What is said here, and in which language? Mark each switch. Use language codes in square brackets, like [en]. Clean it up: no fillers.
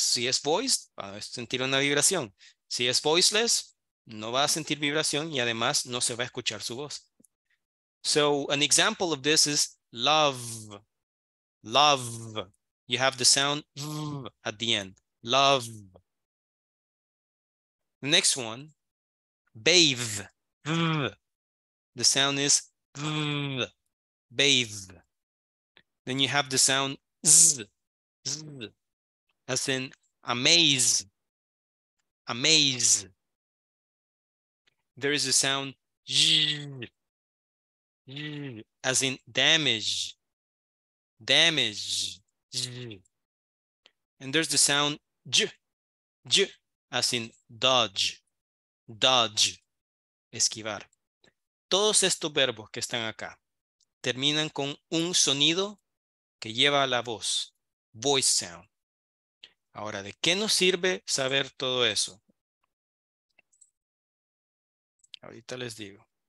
[es] Si es voiced, va a sentir una vibración. Si es voiceless, no va a sentir vibración y además no se va a escuchar su voz. [en] So an example of this is love, love. You have the sound at the end, love. The next one, bathe. The sound is bathe. Then you have the sound z, as in amaze, amaze. There is a sound z, as in damage, damage. And there's the sound j, as in dodge, dodge, esquivar. [es] Todos estos verbos que están acá terminan con un sonido que lleva la voz, [en] voice sound. [es] Ahora, ¿de qué nos sirve saber todo eso? Ahorita les digo.